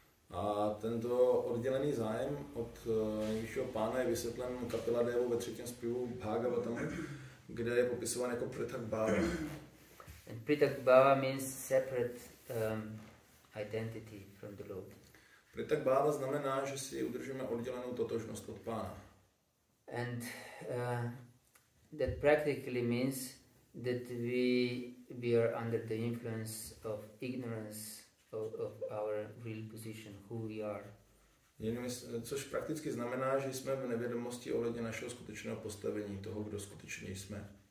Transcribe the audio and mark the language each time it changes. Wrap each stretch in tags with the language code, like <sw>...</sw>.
<cs>A tento oddělený zájem od nejvyššího pána je vysvětlen Kapila Devu ve třetím zpěvu Bhagavatam, kde je popisován jako Pritak Bhava.</cs> <en>And Pritak Bhava means separate identity from the Lord.</en> <cs>Pritak Bhava znamená, že si udržíme oddělenou totožnost od pána.</cs> <en>And that practically means that we are under the influence of ignorance of our real position, who we are.</en> <cs>Což prakticky znamená, že jsme v nevědomosti ohledně našeho skutečného postavení, toho, kdo skutečně jsme.</cs>